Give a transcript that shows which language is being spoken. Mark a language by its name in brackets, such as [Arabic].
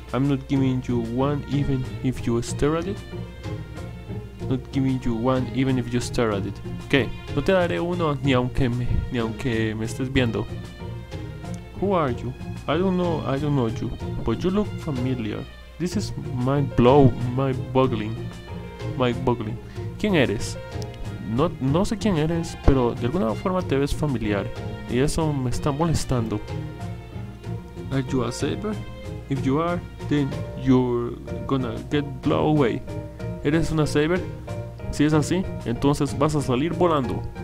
[English] I'm not giving you one even if you stare at it. Not giving you one even if you stare at it. [Spanish] ¿Qué? No te daré uno ni aunque me estés viendo. [English] Who are you? I don't know you, but you look familiar. This is mind boggling. [Spanish] ¿Quién eres? No sé quién eres, pero de alguna forma te ves familiar y eso me está molestando. [English] Are you a saber? If you are, then you're gonna get blown away. [Spanish] ¿Eres una saber? Si es así, entonces vas a salir volando.